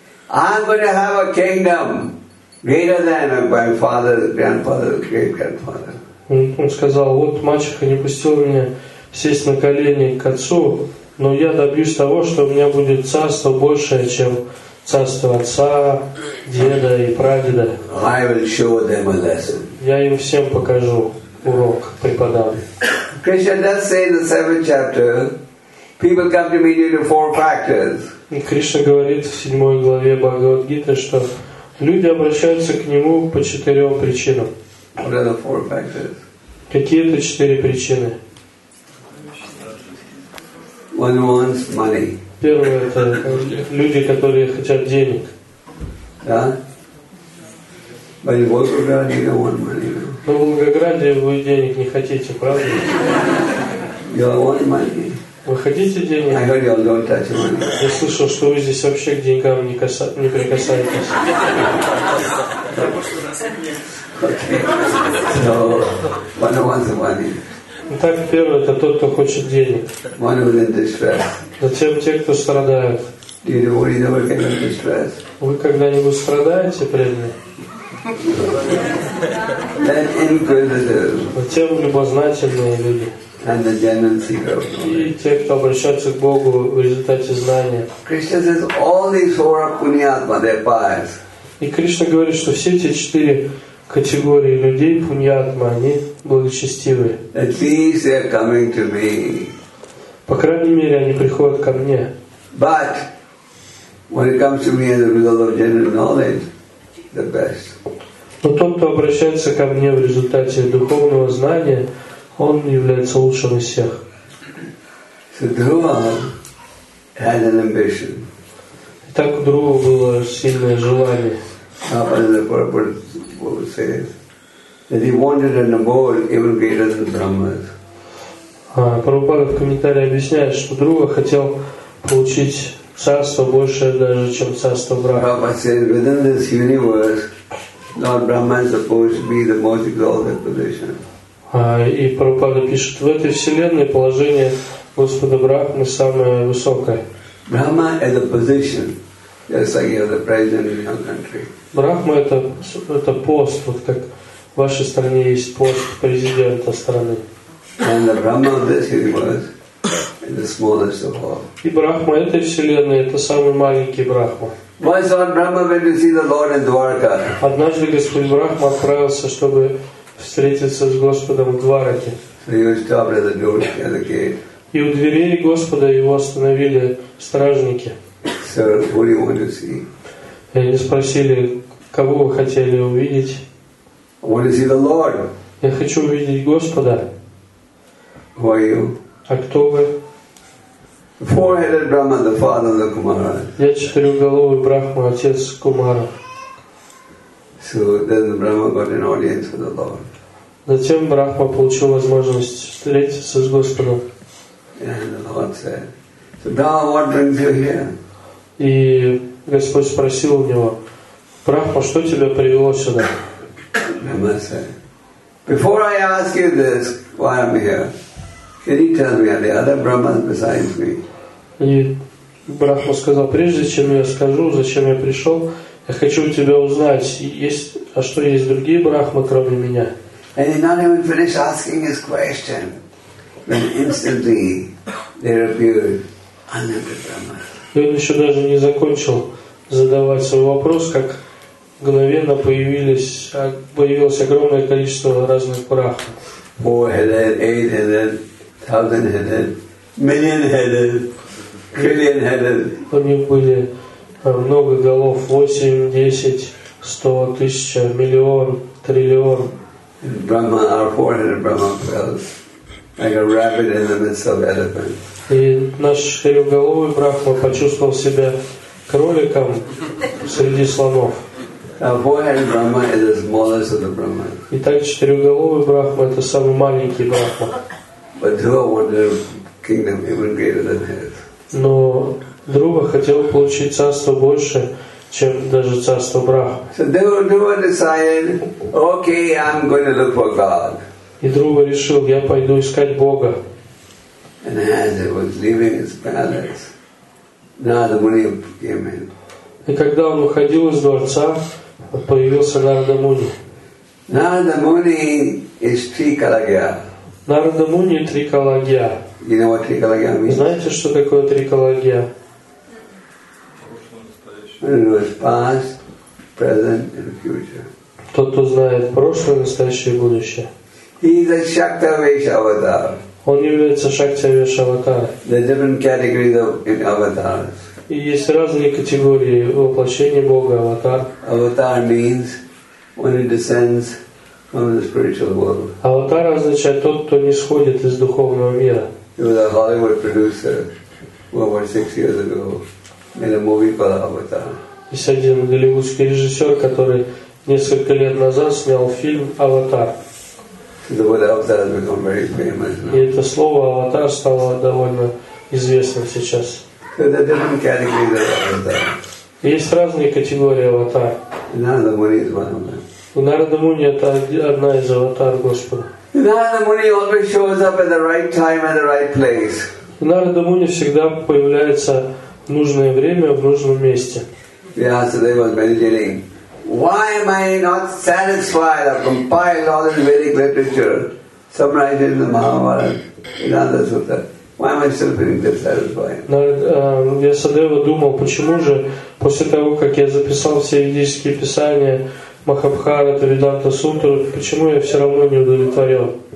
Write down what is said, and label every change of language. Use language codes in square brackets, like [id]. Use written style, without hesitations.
[en] I'm going to have a kingdom greater than my father, grandfather, great-grandfather. [ru] Он сказал: вот мачеха не пустила меня сесть на колени к отцу, но я добьюсь того, что у меня будет царство большее, чем царство отца, деда и прадеда. [en] I will show them a lesson. [ru] Я им всем покажу урок, преподам. [en] Krishna does say in the 7th chapter, people come to me due to 4 factors. [ru] И Кришна говорит в 7 главе Бхагавад-гиты, что люди обращаются к нему по 4 причинам. [en] What are the 4 factors? [ru] Какие это 4 причины? [en] One wants money. [ru] Первое – это люди, которые хотят денег. Да? [en] But in Volgograd you don't want money. [ru] Но в Волгограде вы денег не хотите, правда? [en] You don't want money. [ru] Вы хотите денег? [en] I heard you all don't touch money. [ru] Я слышал, что вы здесь вообще к деньгам не прикасаетесь. [en] Okay. So, one who wants the money. [ru] Итак, первый – это тот, кто хочет денег. [en] One who's in distress. [ru] Затем те, кто страдают. [en] Do you worry that we're getting in distress? [ru] Вы когда-нибудь страдаете, преданные? [en] Then inquisitive. [ru] Затем любознательные люди. [en] And the genuine seeker. [ru] И те, кто обращаются к Богу в результате знания. [en] Krishna says all these 4 punyatma, they're pious. [ru] И Кришна говорит, что все эти 4 категории людей, пуньятма, они благочестивые. [en] At least they're coming to me. [ru] По крайней мере, они приходят ко мне. [en] But when it comes to me as a result of genuine knowledge, the best. [ru] Но тот, кто обращается ко мне в результате духовного знания, он является лучшим из всех. [en] So Dhruva had an ambition. [ru] Так у Дхрувы было сильное желание. [en] Prabhupada, the Prabhupada says that he wanted an abode even greater than Brahma's. [ru] Прабхупада в комментарии объясняет, что Дхрува хотел получить царство больше даже, чем царство Брахмы. [en] Prabhupada says, within this universe, Lord Brahma is supposed to be the most exalted position. [ru] И Прабхупада пишет, в этой вселенной положение Господа Брахмы самое высокое. [en] Brahma is a position, just like you're the president in your country. [ru] Брахма это пост, вот как в вашей стране есть пост президента страны. [en] And the Brahma of this universe is the smallest of all. [ru] И Брахма этой вселенной это самый маленький Брахма. [en] Why saw Brahma went to see the Lord in Dwarka? [ru] Однажды Господь Брахма отправился, чтобы встретиться с Господом в Двараке. [en] So he was stopped at the door, at the gate. [ru] И у дверей Господа его остановили стражники. [en] So what do you want to see? [ru] И они спросили, кого вы хотели увидеть? [en] I want to see the Lord. [ru] Я хочу увидеть Господа. [en] Who are you? [ru] А кто вы? [en] Four-headed Brahma, the father of the Kumaras. [ru] Я четырехголовый Брахма, отец Кумара. [en] So then the Brahma got an audience with the Lord. [ru] Затем Брахма получил возможность встретиться с Господом. [en] And the Lord said, "Siddhartha, what brings you here?" [ru] И Господь спросил у него, Брахма, что тебя привело сюда? [en] Brahma said, "Before I ask you this, why I'm here, can you tell me are there other Brahmas besides me?" [ru] И Брахма сказал, прежде чем я скажу, зачем я пришел, я хочу у тебя узнать, есть, а что есть другие Брахмы, кроме меня? [en] And he not even finished asking his question. And instantly there appeared unlimited Brahma. [ru] И он еще даже не закончил задавать свой вопрос, как мгновенно появилось огромное количество разных брахм. [en] Four-headed, eight-headed, thousand-headed, million-headed, trillion-headed. [ru] У них были много голов, 8, 10, 100, 1000, миллион, триллион. [en] Brahma, our four-headed Brahma fell. Like a rabbit in the midst of elephants. [ru] И наш четырехголовый Брахма почувствовал себя кроликом среди слонов. [en] Four-headed Brahma is the smallest of the Brahmas. [ru] И так четырехголовый Брахма это самый маленький Брахма. [en] But Dhruva wanted a kingdom even greater than his. [ru] Но Дхрува хотел получить царство больше, чем даже царство Брахмы. [en] So Dhruva decided, okay, I'm going to look for God. [ru] И Дхрува решил, я пойду искать Бога. [en] And as he was leaving his palace, Narada Muni came in. [ru] И когда он выходил из дворца, появился Нарада Муни. [en] Narada Muni is Trikalagya. [ru] Нарада Муни Трикалагья. [en] You know what Trikalagya means? [ru] Знаете, что такое Трикалагья? [en] Past, present, and future. [ru] Тот, кто знает прошлое, настоящее и будущее. [en] He is a Shakta Vesha avatar. [ru] Он является Шакти Веш Аватар. [en] There are different categories of avatars. [ru] И есть разные категории воплощения Бога аватар. [en] Avatar means when it descends from the spiritual world. [ru] Аватар означает тот, кто не сходит из духовного мира. [en] There was a Hollywood producer who about 6 years ago made a movie called Avatar. [ru] Есть один голливудский режиссер, который несколько лет назад снял фильм Аватар. [en] The word avatar has become very famous now. [ru] И это слово аватар стало довольно известным сейчас. [en] There are different categories of avatar. [ru] Есть разные категории аватар. [en] Narada Muni is one of them. [ru] Narada Muni это одна из аватар Господа. [en] Narada Muni always shows up at the right time and the right place. [ru] Narada Muni всегда появляется в нужное время в нужном месте. [en] Yesterday was meditating. Why am I not satisfied? I've compiled all this Vedic literature, summarized it in the Mahabharata, in other sutta. Why am I still feeling dissatisfied? [ru] Ясадева думал, почему же после того, как я записал все ведические писания Махабхарата, Веданта Сутру, почему я все равно не удовлетворен?